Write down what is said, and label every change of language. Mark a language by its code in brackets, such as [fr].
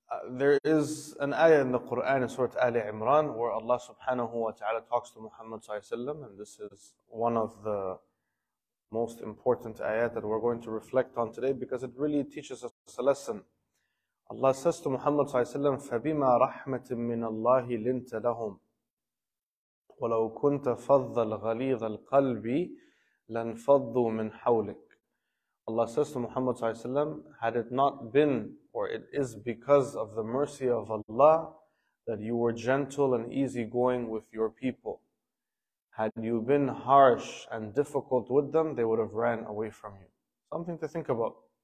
[en] There is an ayah in the Quran in Surah Ali Imran where Allah subhanahu wa ta'ala talks to Muhammad sallallahu alayhi wa sallam, and this is one of the most important ayat that we're going to reflect on today because it really teaches us a lesson. [ar] Allah says to Muhammad sallallahu alayhi wa sallam, فَبِمَا رَحْمَةٍ مِّنَ اللَّهِ لِنْتَ لَهُمْ وَلَوْ كُنْتَ فَضَّ الْغَلِيظَ الْقَلْبِ لَنْفَضُّوا مِنْ حَوْلِكَ. [en] Allah says to Muhammad sallallahu alayhi wa sallam, had it not been, or it is because of the mercy of Allah, that you were gentle and easygoing with your people. Had you been harsh and difficult with them, they would have ran away from you. Something to think about.